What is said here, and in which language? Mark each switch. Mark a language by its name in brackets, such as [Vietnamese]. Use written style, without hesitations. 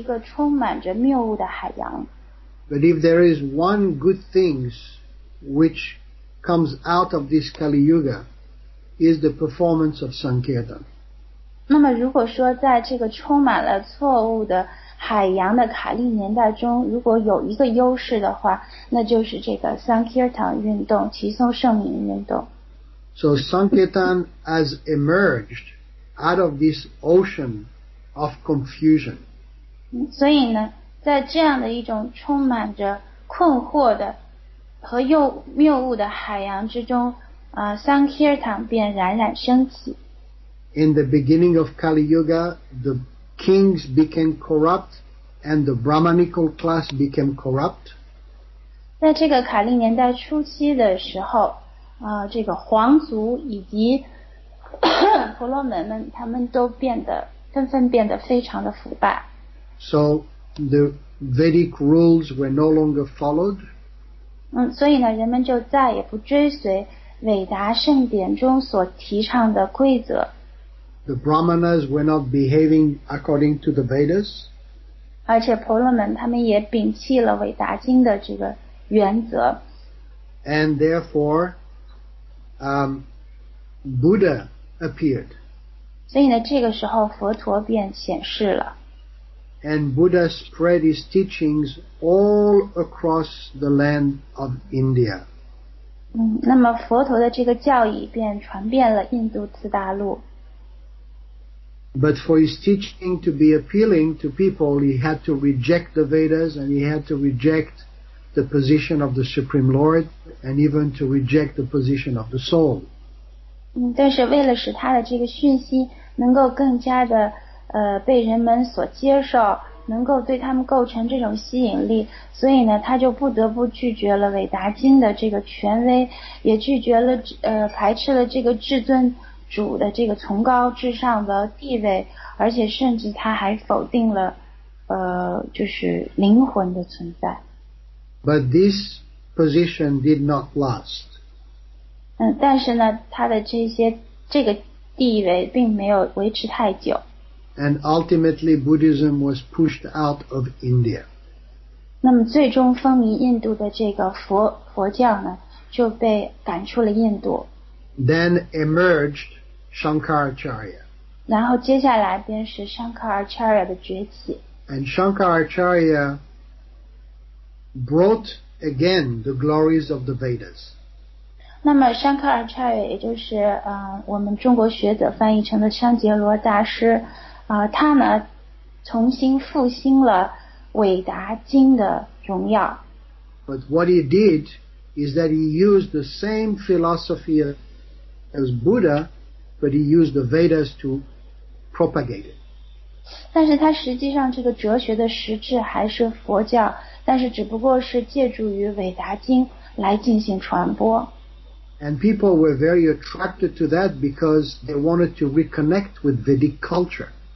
[Chinese] 那么在这个圣典婆加瓦坛的第十二篇当中呢，就讲到了这些诗节，在这里对卡利年代有一个描述，说卡利年代是一个充满着谬误的海洋。 [English] But if there is one good thing which comes out of this Kali Yuga is the performance of Sankirtan. [Chinese] 那么如果说在这个充满了错误的海洋的卡利年代中，如果有一个优势的话，那就是这个Sankirtan运动，提颂圣名运动。 [English] So Sankirtan has emerged out of this ocean of confusion. [Chinese] 所以呢, 在这样的一种充满着困惑的和谬误的海洋之中, Sankirtan 便冉冉升起。 [English] In the beginning of Kali Yuga, the kings became corrupt and the Brahmanical class became corrupt. [Chinese] 在这个卡利年代初期的时候, 这个皇族以及婆罗门们他们都变得纷纷变得非常的腐败。 [English] So the Vedic rules were no longer followed. [Chinese] 所以呢，人们就再也不追随伟达圣典中所提倡的规则。 [English] The Brahmanas were not behaving according to the Vedas. [Chinese] 而且婆罗门他们也摒弃了伟达经的这个原则。 [English] And therefore, Buddha appeared. [Chinese] 所以呢，这个时候佛陀便显示了。 [English] And Buddha spread his teachings all across the land of India. [Chinese] 那么佛陀的这个教义便传遍了印度次大陆。 [English] But for his teaching to be appealing to people, he had to reject the Vedas and he had to reject the position of the Supreme Lord and even to reject the position of the soul. [Chinese] 但是为了使他的这个讯息能够更加的被人们所接受，能够对他们构成这种吸引力，所以呢，他就不得不拒绝了伟达经的这个权威，也拒绝了排斥了这个至尊主的这个崇高至上的地位，而且甚至他还否定了就是灵魂的存在。 [English] But this position did not last. [Chinese] 但是呢，他的这个地位并没有维持太久。 [English] And ultimately, Buddhism was pushed out of India. [Chinese] 那么最终风靡印度的这个佛教呢，就被赶出了印度。 [English] Then emerged Shankaracharya. [Chinese] 然后接下来便是 Shankaracharya 的崛起。 [English] And Shankaracharya brought again the glories of the Vedas. [Chinese] 那么 Shankaracharya 也就是我们中国学者翻译成的香杰罗大师。他呢重新复兴了伟达经的荣耀。 [English] But what he did is that he used the same philosophy as Buddha, but he used the Vedas to propagate it. [Chinese] 但是他实际上这个哲学的实质还是佛教，但是只不过是借助于伟达经来进行传播。 [English] And people were very attracted to that because they wanted to reconnect with Vedic culture.